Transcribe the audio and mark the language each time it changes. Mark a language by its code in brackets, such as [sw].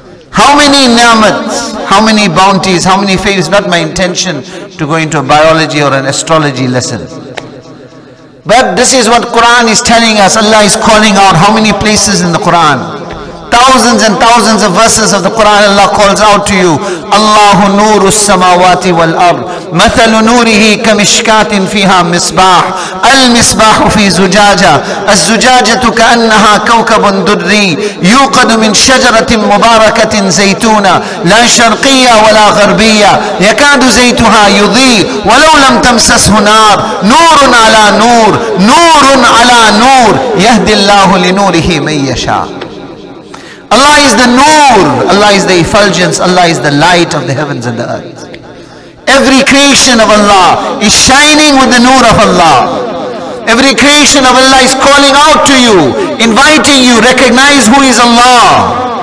[en] How many ni'mats, how many bounties, how many favors? Not my intention to go into a biology or an astrology lesson. But this is what Quran is telling us. Allah is calling out how many places in the Quran. Thousands and thousands of verses of the Quran, Allah calls out to you. [ar] Allahu nuru samawati wal ard. مثل نوره كمشكات فيها مصباح المصباح في زجاجة الزجاجة كأنها كوكب دري يوقد من شجرة مباركة زيتونة لا شرقية ولا غربية يكاد زيتها يضيء ولو لم تمسسه نار نور على نور نور على نور يهدي الله لنوره من يشاء. [en] Allah is the Noor, Allah is the effulgence, Allah is the light of the heavens and the earth. Every creation of Allah is shining with the noor of Allah. Every creation of Allah is calling out to you, inviting you, recognize who is Allah.